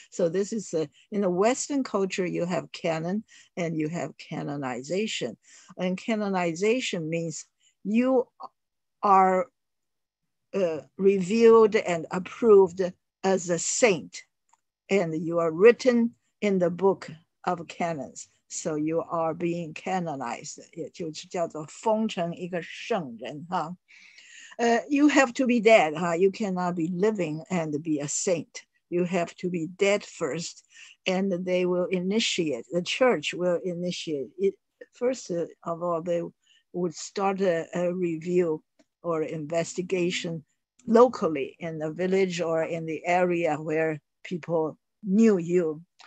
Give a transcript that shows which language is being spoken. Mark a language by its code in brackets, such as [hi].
[en] So this is in the Western culture, you have canon and you have canonization. And canonization means you are revealed and approved as a saint. And you are written in the book of canons. So you are being canonized. [zh] 也就是叫做封成一个圣人。 [en] You have to be dead. You cannot be living and be a saint. You have to be dead first. And they will initiate, the church will initiate it. First of all, they would start a review or investigation locally in the village or in the area where people knew you.